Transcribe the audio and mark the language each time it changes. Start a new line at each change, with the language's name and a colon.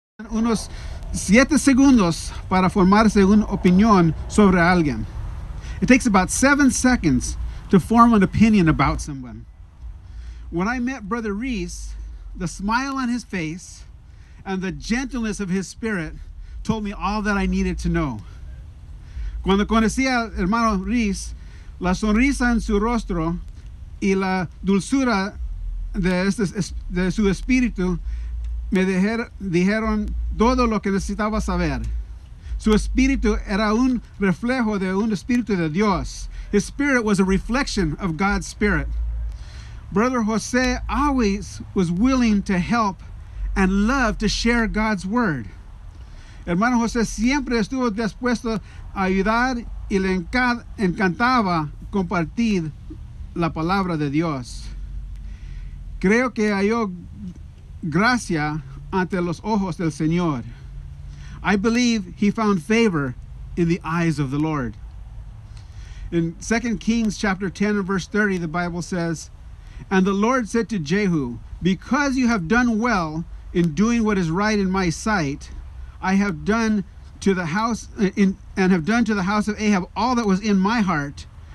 Spanish: Unos 7 segundos para formarse una opinión sobre alguien.
English: It takes about 7 seconds to form an opinion about someone. When I met Brother Reese, the smile on his face and the gentleness of his spirit told me all that I needed to know.
Spanish: Cuando conocí al hermano Reese, la sonrisa en su rostro y la dulzura de su espíritu me dijeron todo lo que necesitaba saber. Su espíritu era un reflejo de un espíritu de Dios.
English: His spirit was a reflection of God's spirit. Brother Jose always was willing to help and loved to share God's word.
Spanish: Hermano Jose siempre estuvo dispuesto a ayudar y le encantaba compartir la palabra de Dios. Creo que halló gracia ante los ojos del Señor.
English: I believe he found favor in the eyes of the Lord. In 2 Kings chapter 10 and verse 30, the Bible says, "And the Lord said to Jehu, because you have done well in doing what is right in my sight, I have done to the house of Ahab all that was in my heart.